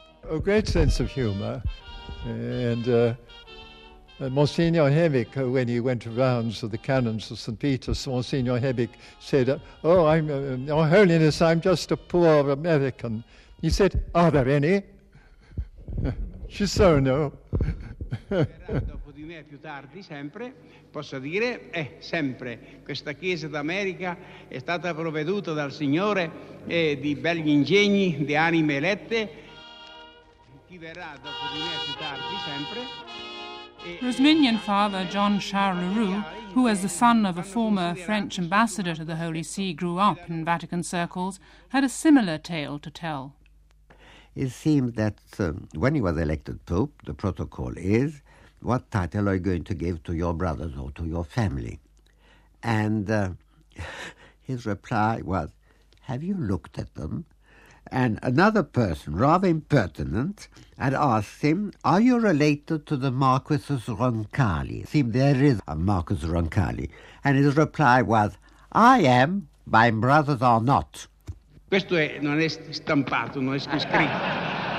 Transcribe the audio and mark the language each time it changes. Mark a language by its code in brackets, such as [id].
[en] A great sense of humour. And Monsignor Hebbink, when he went around to the canons of St. Peter's, Monsignor Hebbink said, "Oh, I'm, Your Holiness, I'm just a poor American." He said, "Are there any?" She said, "No." [it] Dopo di me, più tardi, sempre, posso dire, sempre, questa chiesa d'America è stata provveduta dal Signore di belli ingegni, di anime elette. Chi verrà dopo di me, più tardi, sempre. [en] Rosminian father John Charles Leroux, who as the son of a former French ambassador to the Holy See grew up in Vatican circles, had a similar tale to tell. It seemed that when he was elected Pope, the protocol is, what title are you going to give to your brothers or to your family? And his reply was, "Have you looked at them?" And another person, rather impertinent, had asked him, "Are you related to the Marquis of Roncalli?" See, there is a Marquis of Roncalli. And his reply was, "I am, by brothers or not. [it] Questo è, non è stampato, non è scritto.